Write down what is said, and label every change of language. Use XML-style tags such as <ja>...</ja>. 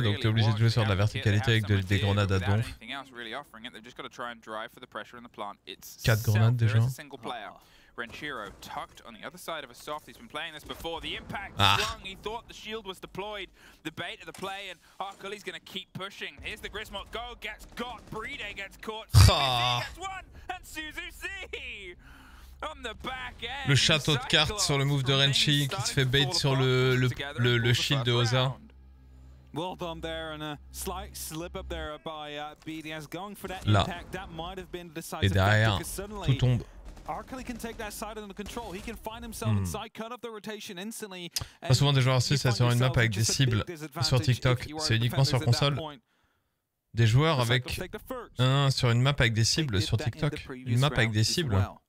<fr>Donc, t'es obligé de jouer sur de la verticalité avec des grenades à donf. 4 grenades déjà.</fr> <en>Renshiro tucked on the other side of a soft. He's been playing this before. The impact swung. He thought the shield was deployed. The bait of the play, and Arkali's gonna keep pushing. Here's the Grismok. Go gets got. Breeder gets caught. Gets one. And Suzuki on the back end.</en> <fr>Le château de cartes sur le move de Renshi qui se fait bait sur le shield de Oza.</fr> <en>Well done there, and a slight slip up there by BDS going for that impact. That might have been the decisive factor, because suddenly</en> <fr>tout tombe.</fr> <en>Arkali can take that side under control. He can find himself inside, cut off the rotation instantly.</en> <fr>Pas souvent des joueurs suisses sur une map avec des cibles sur TikTok. C'est uniquement sur console. Des joueurs avec un sur une map avec des cibles sur TikTok. Une map avec des cibles.</fr>